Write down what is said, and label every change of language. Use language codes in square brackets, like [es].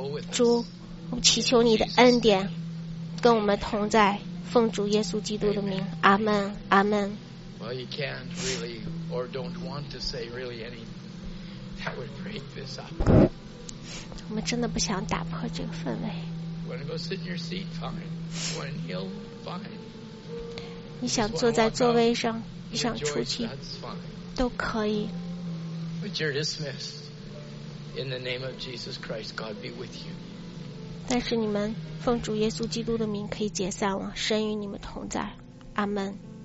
[zh] 主，我祈求你的恩典跟我们同在，奉主耶稣基督的名，阿们，阿们。 [en] Well, you can't really or don't want to say really anything that would break this up. [zh] 我们真的不想打破这个氛围。 [en] Want to go sit in your seat? Fine. When he'll find. [zh] 你想坐在座位上，你想出去，都可以。 [en] But you're dismissed. In the name of Jesus Christ, God be with you. [zh] 但是你们奉主耶稣基督的名可以解散了，神与你们同在，阿门。